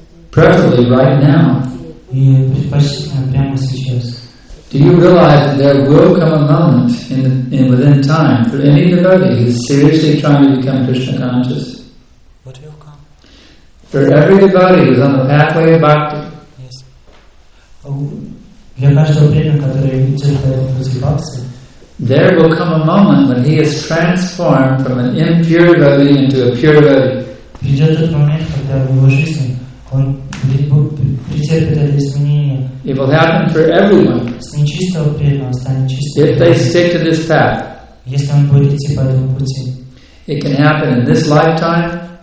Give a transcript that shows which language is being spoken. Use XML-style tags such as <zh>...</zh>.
<en>Preferably right now. Do you realize that there will come a moment in within time for any devotee who is seriously trying to become Krishna conscious? What will come? For every devotee who is on the pathway of bhakti. Yes.</en> <ru>Для каждого преданного, который идет по пути бхакти.</ru> <en>There will come a moment when he is transformed from an impure body into a pure body. It will happen for everyone. If they stick to this path, it can happen in this lifetime.</en>